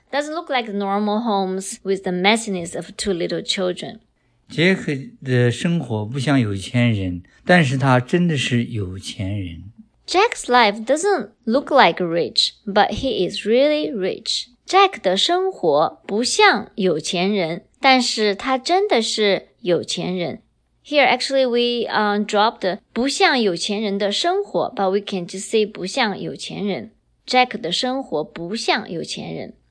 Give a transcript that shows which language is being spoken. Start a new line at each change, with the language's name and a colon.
English: Doesn't look like normal homes with the messiness of two little children.
Chinese: Jack 的生活不像有钱人,但是他真的是有钱人。
English: Jack's life doesn't look like rich, but he is really rich.
Chinese: Jack 的生活不像有钱人，但是他真的是有钱人。
English: Here, actually, we dropped
Chinese: 不像有钱人的生活,
English: but we can just say
Chinese: 不像有钱人。 Jack 的生活不像有钱人。